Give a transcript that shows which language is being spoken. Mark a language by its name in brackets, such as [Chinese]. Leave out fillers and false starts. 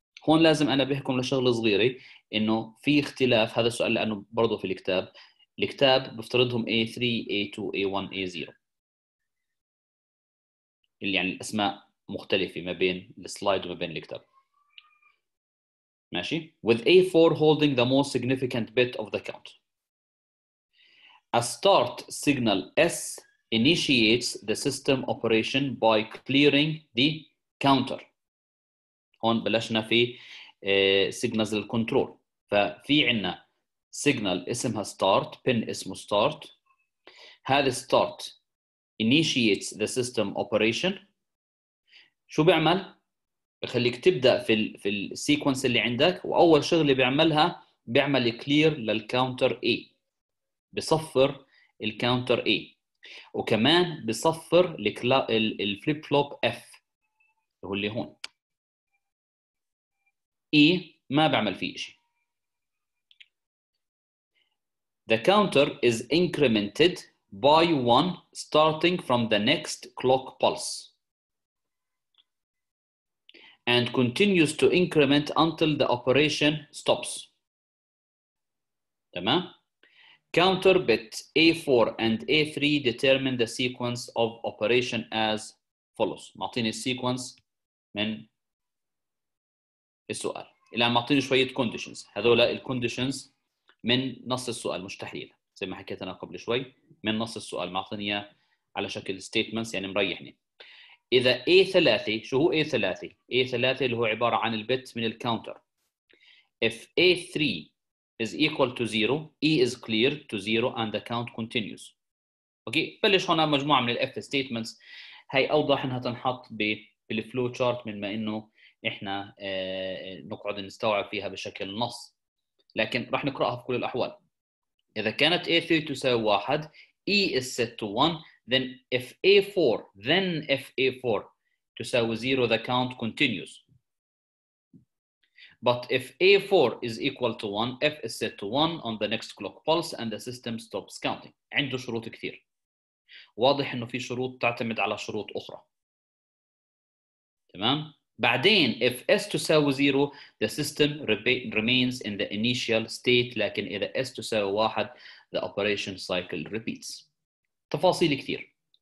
[Arabic] هون لازم أنا بحكم لشغلة صغيرة إنه في اختلاف. هذا السؤال لأنه برضو في الكتاب. الكتاب بفترضهم A3, A2, A1, A0. اللي يعني الأسماء مختلفة ما بين السلايد وما بين الكتاب. ماشي؟ [English] With A4 holding the most significant bit of the count. A start signal S initiates the system operation by clearing the counter. [Arabic] هون بلشنا في signals للكنترول. ففي عنا signal اسمها start, pin اسمه start. [English] هذا start initiates the system operation. [Arabic] شو بيعمل؟ بخليك تبدأ في السيكونس اللي عندك, وأول شغلة بيعملها بيعمل clear للكاونتر A, بصفر الكاونتر A, وكمان بصفر الفليب فلوب F هو اللي هون. E ما بعمل فيه شيء. [English] The counter is incremented by one starting from the next clock pulse and continues to increment until the operation stops. [Arabic] تمام؟ [English] Counter bit A4 and A3 determine the sequence of operation as follows. [Arabic] معطيني sequence من السؤال. الآن معطيني شوية conditions. هذولا الconditions من نص السؤال مش تحليل. زي ما حكيت أنا قبل شوي. من نص السؤال معطيني على شكل statements يعني مريحني. إذا A3, شو هو A3؟ A3 اللي هو عبارة عن البت من الكاونتر. [English] If A3 is equal to 0, E is clear to 0 and the count continues. [Arabic] أوكي؟ بلش هنا مجموعة من الF statements. هاي أوضح إنها تنحط بالفلو chart من ما إنه إحنا نقعد نستوعب فيها بشكل نص. لكن راح نقرأها في كل الأحوال. إذا كانت [English] A3 [Arabic] تساوي [English] 1, E is set to 1, then if A4, then if A4 تساوي 0, the count continues. But if A4 is equal to 1, F is set to 1 on the next clock pulse and the system stops counting. [Arabic] عنده شروط كثير. واضح انه في شروط تعتمد على شروط اخرى. تمام؟ بعدين [English] if S [Arabic] تساوي [English] 0, the system remains in the initial state, [Arabic] لكن اذا [English] S تساوي 1, the operation cycle repeats. [Arabic] تفاصيل كثير.